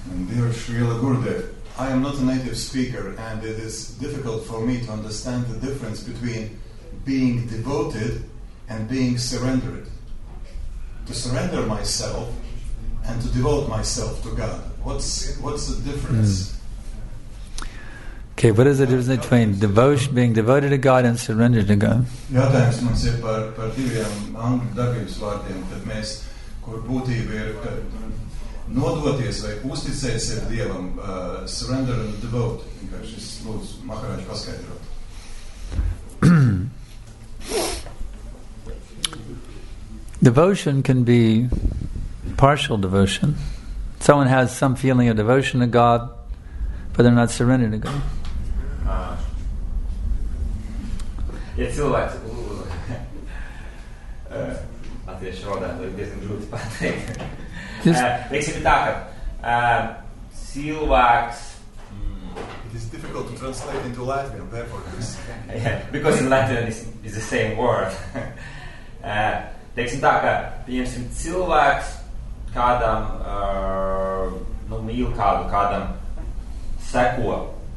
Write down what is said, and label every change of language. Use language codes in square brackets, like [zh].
[en] Dear Srila Gurudev, I am not a native speaker, and it is difficult for me to understand the difference between being devoted and being surrendered. To surrender myself and to devote myself to God. What's the difference? Okay, what is the difference between devotion, being devoted to God, and surrender to God? [lv] Jautājums man ir par diviem angļu dabības vārdiem, kad mēs, kur būtība ir, kad nodoties vai uzticēties ar Dievam, [en] surrender and devote, [lv] vienkārši es lūdzu Maharaj paskaidrot. [en] Devotion can be partial devotion. Someone has some feeling of devotion to God, but they're not surrendered to God. It is difficult to translate into Latvian, therefore it is. Yeah, because in Latvian is the same word. [lv] Teiksim tā, ka, piemēram, cilvēks kādam nu, mīl kādu, kādam seko.